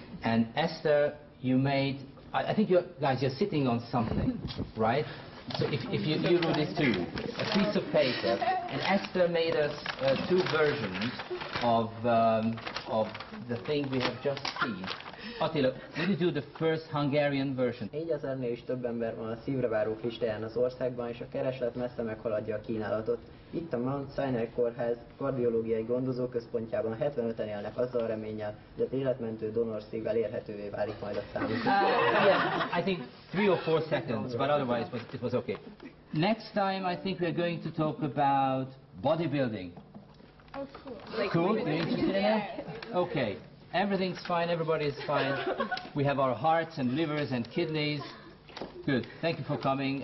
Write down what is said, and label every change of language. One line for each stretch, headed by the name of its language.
English: And Esther, you made... I think, you're sitting on something, right? So if you do this too, a piece of paper, and Esther made us two versions of the thing we have just seen. Attila, let me do the first Hungarian version.
Hungarian: 4000-nél is több ember van a szívrevárók listáján az országban, és a kereslet messze meghaladja a kínálatot. Itt a Mount Sinai Kórház kardiológiai gondozóközpontjában 75-en élnek azzal a reménnyel, hogy az életmentő donor szívvel érhetővé válik majd a számunkra.
English: I think 3 or 4 seconds, but otherwise it was okay. Next time I think we're going to talk about bodybuilding. Oh, cool. Like, cool? Are you interested in that? Okay. Everything's fine. Everybody's fine. We have our hearts and livers and kidneys. Good. Thank you for coming.